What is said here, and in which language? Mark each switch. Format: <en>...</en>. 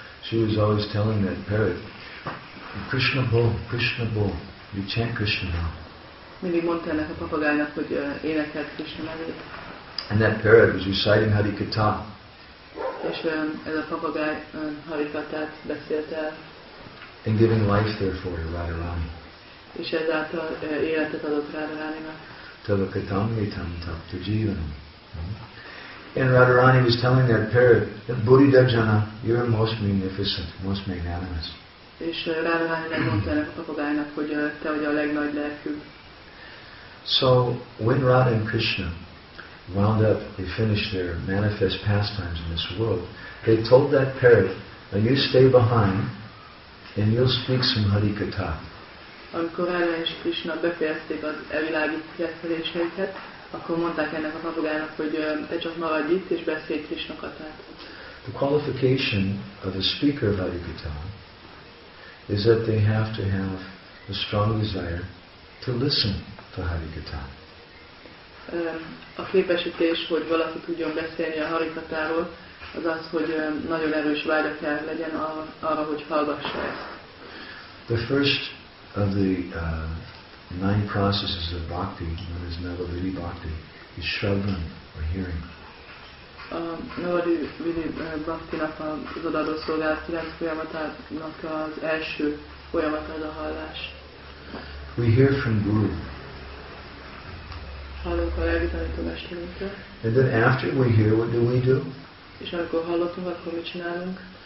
<en>She was always telling that parrot,</en> <bn>Krishna bol, Krishna bol,</bn> <en>you chant Krishna now.</en> <hu>Mindig mondta ennek a papagájnak, hogy énekelt Krishna nevét.</hu> <en>And that parrot was reciting Harikata.</en> <hu>És ez a papagáj Harikatát beszélt el.</hu> <en>And giving life therefore to Radharani.</en> <hu>És ezáltal életet adott Radharaninak.</hu> <sa>Tavakatam mitam tapta jivanam.</sa> <en>And Radharani was telling that parrot, Buddhidajana, you're most magnificent, most magnanimous.</en> <hu>És Radharani mondta ennek a papagájnak, hogy te vagy a legnagy lelkű.</hu> <en>So when Radha and Krishna wound up, they finished their manifest pastimes in this world, they told that parrot, now you stay behind and you'll speak some Harikatha.</en> <hu>Amikor Radha és Krishna befejezték az evilági kereszteléseiket, akkor mondták ennek a papagájnak, hogy te csak maradj itt és beszélj Krishna katát.</hu> <en>The qualification of a speaker of Harikatha is that they have to have a strong desire to listen to Harikatha.</en> <hu>A képesítés, hogy valaki tudjon beszélni a Harikatáról, az az, hogy nagyon erős vágya kell legyen arra, hogy hallgassa ezt.</hu> <en>The first of the nine processes of bhakti, known as Navavidhi bhakti, is shravan, or hearing.</en> <hu>A Navavidhi bhaktinak az odaadó szolgálat kilenc folyamatának az első folyamat az a hallás.</hu> <en>We hear from Guru.</en> <hu>Hallunk a lelki tanító mesterünktől.</hu> <en>And then after we hear, what do we do?</en> <hu>És amikor hallottunk, akkor mit csinálunk?</hu>